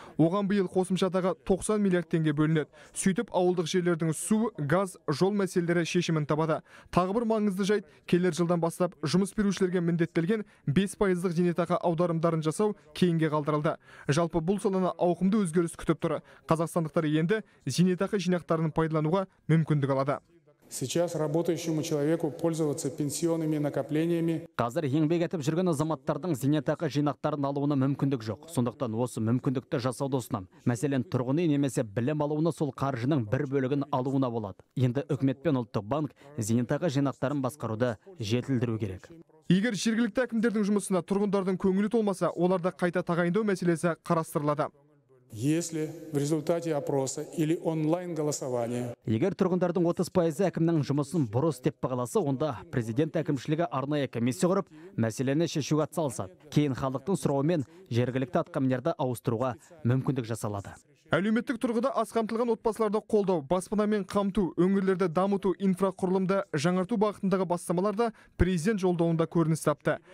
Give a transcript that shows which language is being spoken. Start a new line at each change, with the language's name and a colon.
Kazakh: Оған биыл қосымшадағы 90 миллиард теңге бөлінеді. Сөйтіп ауылдық жерлердің су, газ, жол мәселелері шешімін табады. Тағы бір маңызды жайт, келер жылдан бастап жұмыс берушілерге міндеттелген 5%-лық зейнетақы аударымдарын жасау кейінге қалдырылды. Жалпы бұл саланы ауқымды өзгеріс күтіп тұр. Қазақстандықтар енді зейнетақы жинақтарын пайдалануға мүмкіндік алады.
Russian: Сейчас работающему человеку пользоваться пенсионными накоплениями.
Kazakh: Қазір еңбек етіп жүрген азаматтардың зейнетақы жинақтарын алуына мүмкіндік жоқ. Сондықтан осы мүмкіндікті жасауды ұсынам. Мәселен, тұрғын үй немесе білім алуына сол қаржының бір бөлігін алуына болады. Енді үкімет пен ұлттық банк зейнетақы жинақтарын басқаруды жетілдіру керек. Егер жергілікті әкімдердің жұмысына тұрғындардың көңілі толмаса, оларды қайта тағайындау мәселесі қарастырылады.
Russian: Если в результате опроса или онлайн голосования.
Kazakh: Егер тұрғындардың 30% әкімнің жұмысын бұрыс деп бағаласа, онда президент әкімшілігі арнайы комиссия құрып, мәселені шешуге атсалысады. Кейін халықтың сұрауымен жергілікті атқамінерді ауыстыруға мүмкіндік жасалады. Әлеуметтік тұрғыда аз қамтылған отбасыларды қолдау, баспанамен қамту, өңірлерді дамыту, инфрақұрылымды жаңарту бағытындағы бастамаларда президент жолдауында көрініс тапты.